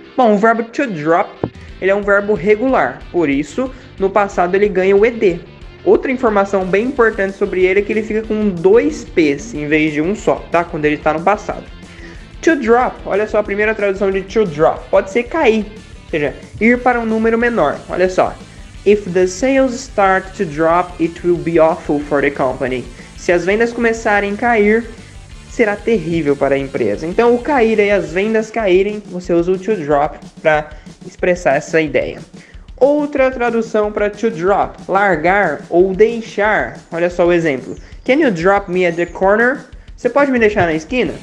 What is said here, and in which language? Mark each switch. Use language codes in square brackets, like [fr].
[pt] Bom, o verbo to drop, ele é um verbo regular. Por isso, no passado ele ganha o ed. Outra informação bem importante sobre ele é que ele fica com dois p's em vez de um só, tá? Quando ele está no passado. To drop, olha só a primeira tradução de to drop, pode ser cair, ou seja, ir para um número menor, olha só. [en] If the sales start to drop, it will be awful for the company. [pt] Se as vendas começarem a cair, será terrível para a empresa. Então, o cair e as vendas caírem, você usa o to drop para expressar essa ideia. Outra tradução para to drop, largar ou deixar, olha só o exemplo. [en] Can you drop me at the corner? [pt] Você pode me deixar na esquina?